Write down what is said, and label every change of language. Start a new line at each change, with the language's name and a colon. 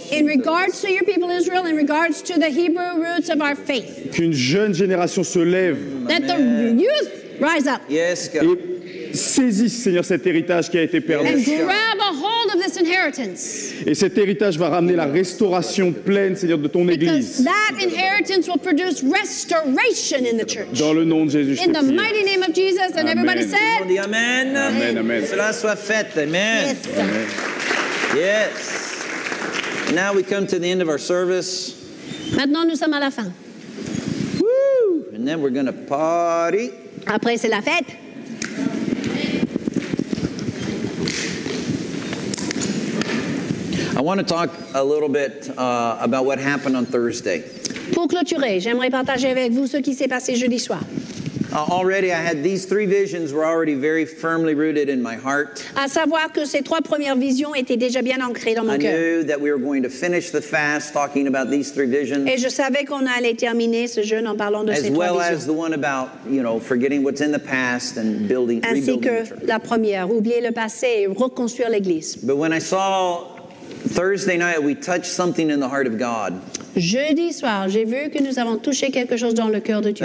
English: In regards to your people Israel, in regards to the Hebrew roots of our faith.
French: Qu'une jeune génération se lève.
English: Let the youth rise up. Yes, God.
French: Et saisisse, Seigneur, cet héritage qui a été perdu.
English: And grab a hold of this inheritance.
French: Et cet héritage va ramener la restauration pleine, Seigneur, de ton Église.
English: Because that inheritance will produce restoration in the church.
French: Dans le nom de Jésus.
English: In the mighty name of Jesus, and everybody said, Amen. Amen. Amen.
French: Cela soit fait. Amen.
English: Yes. Yes. Now we come to the end of our service.
French: Maintenant, nous sommes à la fin.
English: Woo! And then we're going to party.
French: Après, c'est la fête.
English: I want to talk a little bit about what happened on Thursday.
French: Pour clôturer, j'aimerais partager avec vous ce qui s'est passé jeudi soir.
English: Already, I had these three visions were already very firmly rooted in my heart.
French: À savoir que ces trois premières visions étaient déjà bien ancrées dans mon cœur.
English: I knew that we were going to finish the fast talking about these three visions.
French: Et je savais qu'on allait terminer ce jeûne en parlant de ces trois visions.
English: As well as the one about, you know, forgetting what's in the past and building, rebuilding the church.
French: Ainsi que la première, oublier le passé et reconstruire l'église.
English: But when I saw Thursday night, we touched something in the heart of God.
French: Jeudi soir, j'ai vu que nous avons touché quelque chose dans le cœur de Dieu.